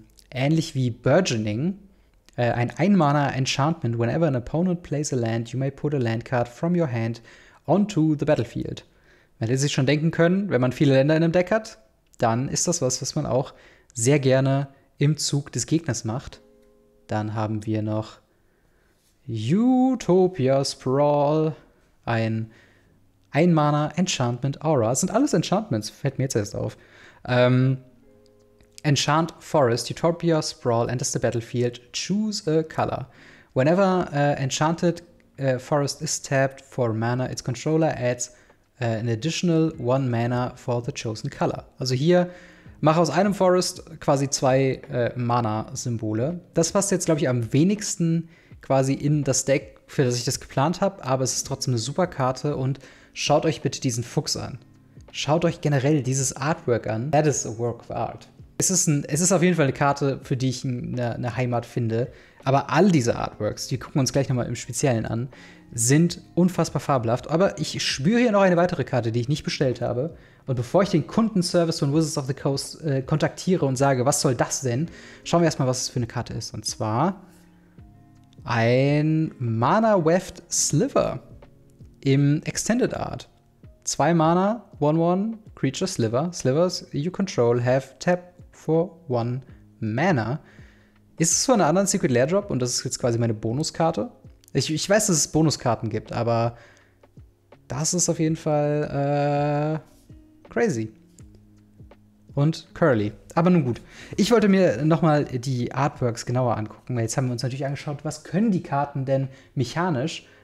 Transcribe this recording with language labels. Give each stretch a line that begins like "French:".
German: Ähnlich wie Burgeoning, ein Ein-Mana-Enchantment.
English: Whenever an opponent plays a land, you may put a land card from your hand onto the battlefield.
German: Man hätte sich schon denken können, wenn man viele Länder in einem Deck hat, dann ist das was man auch sehr gerne im Zug des Gegners macht. Dann haben wir noch Utopia Sprawl, ein Ein-Mana-Enchantment-Aura. Das sind alles Enchantments, fällt mir jetzt erst auf.
English: Enchant Forest, Utopia Sprawl enters the battlefield, choose a color. Whenever Enchanted Forest is tapped for mana, its controller adds an additional 1 mana for the chosen color.
German: Also hier, mach aus einem Forest quasi 2 Mana-Symbole. Das passt jetzt, glaube ich, am wenigsten quasi in das Deck, für das ich das geplant habe, aber es ist trotzdem eine super Karte und schaut euch bitte diesen Fuchs an. Schaut euch generell dieses Artwork an.
English: That is a work of art.
German: Es ist auf jeden Fall eine Karte, für die ich eine Heimat finde. Aber all diese Artworks, die gucken wir uns gleich nochmal im Speziellen an, sind unfassbar fabelhaft. Aber ich spüre hier noch eine weitere Karte, die ich nicht bestellt habe. Und bevor ich den Kundenservice von Wizards of the Coast kontaktiere und sage, was soll das denn, schauen wir erstmal, was es für eine Karte ist. Und zwar ein Mana Weft Sliver im Extended Art. 2 Mana, 1-1, Creature Sliver.
English: Slivers you control have tap for 1 Mana.
German: Ist es von einer anderen Secret Lair Drop und das ist jetzt quasi meine Bonuskarte? Ich weiß, dass es Bonuskarten gibt, aber das ist auf jeden Fall crazy. Und curly. Aber nun gut. Ich wollte mir nochmal die Artworks genauer angucken. Jetzt haben wir uns natürlich angeschaut, was können die Karten denn mechanisch?